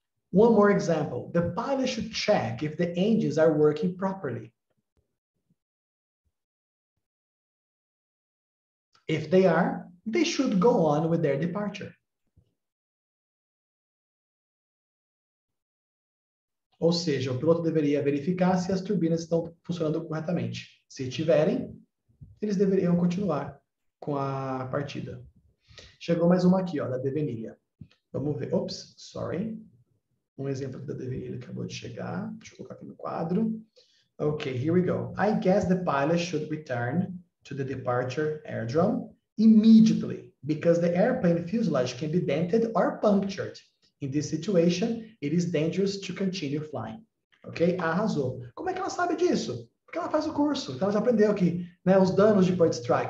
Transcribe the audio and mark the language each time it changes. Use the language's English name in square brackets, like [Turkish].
[English] One more example. The pilot should check if the engines are working properly. If they are, they should go on with their departure. [Portuguese] Ou seja, o piloto deveria verificar se as turbinas estão funcionando corretamente. Se tiverem, eles deveriam continuar com a partida. Chegou mais uma aqui, ó, da Devenilha. Vamos ver. Ops, sorry. Um exemplo da Devenilha que acabou de chegar. Deixa eu colocar aqui no quadro. [English] Ok, here we go. I guess the pilot should return to the departure airdrome immediately, because the airplane fuselage can be dented or punctured. In this situation, it is dangerous to continue flying. [Portuguese] Ok? Arrasou. Como é que ela sabe disso? Porque ela faz o curso. Então, ela já aprendeu aqui, né, os danos de bird strike.